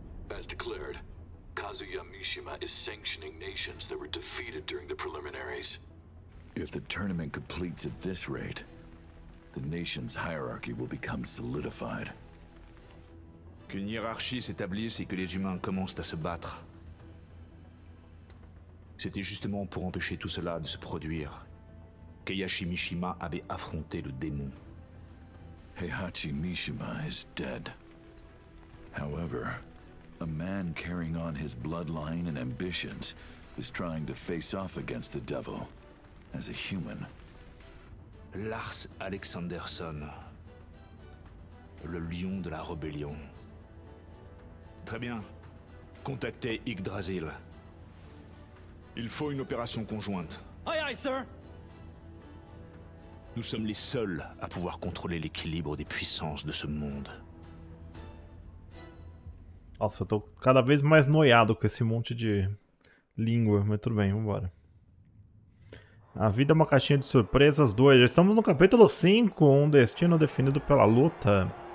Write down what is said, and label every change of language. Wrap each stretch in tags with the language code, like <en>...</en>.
<en>As declared, Kazuya Mishima is sanctioning nations that were defeated during the preliminaries. If the tournament completes at this rate, the nation's hierarchy will become solidified.</en> <fr>Qu'une hiérarchie s'établisse et que les humains commencent à se battre. C'était justement pour empêcher tout cela de se produire. Keihachi Mishima avait affronté le démon.</fr> <en>Heihachi Mishima is dead. However, a man carrying on his bloodline and ambitions is trying to face off against the devil as a human.</en> <fr>Lars Alexanderson, le lion de la rébellion. Très bien. Contactez Yggdrasil. Il faut une opération conjointe.</fr> <en>Aye, aye, sir.</en> <fr>Nous sommes les seuls à pouvoir contrôler l'équilibre des puissances de ce monde.</fr> <pt>Nossa, eu tô cada vez mais noiado com esse monte de língua, mas tudo bem, vambora. A vida é uma caixinha de surpresas, 2. Estamos no capítulo 5, um destino definido pela luta.</pt>